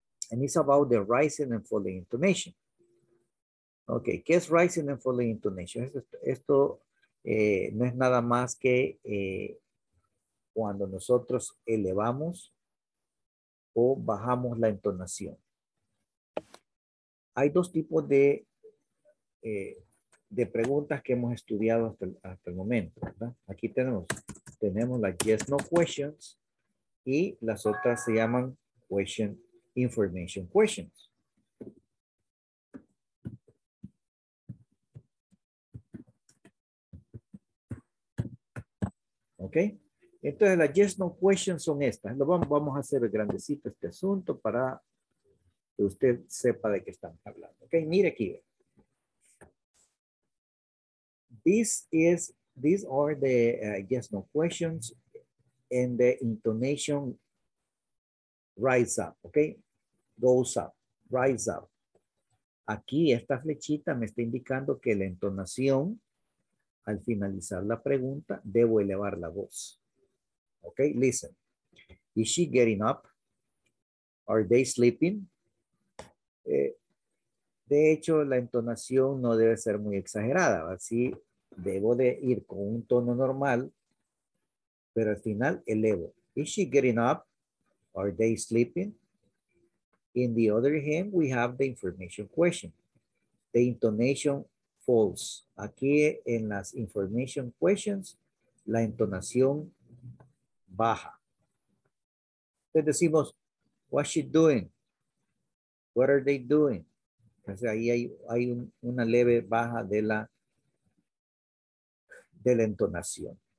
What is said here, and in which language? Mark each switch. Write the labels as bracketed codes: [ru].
[en] And it's about the rising and falling intonation. [es] Okay, ¿qué es [en] rising and falling intonation? [es] Esto no es nada más que cuando nosotros elevamos o bajamos la entonación. Hay dos tipos de preguntas que hemos estudiado hasta el momento, ¿verdad? Aquí tenemos las yes no questions y las otras se llaman question information questions. Ok, entonces las yes no questions son estas. Vamos a hacer grandecito este asunto para que usted sepa de qué estamos hablando. Ok, mire aquí. [en] these are the yes no questions, and the intonation rise up, okay? Goes up, rise up. [es] Aquí esta flechita me está indicando que la entonación, al finalizar la pregunta, debo elevar la voz. [en] Okay, listen. Is she getting up? Are they sleeping? [es] De hecho, la entonación no debe ser muy exagerada. Así debo de ir con un tono normal, pero al final elevo. [en] Is she getting up? Are they sleeping? In the other hand, we have the information question. The intonation falls. [es] Aquí en las information questions, la entonación baja. Entonces decimos, [en] what's she doing? What are they doing? [es] Entonces ahí hay una leve baja de la entonación.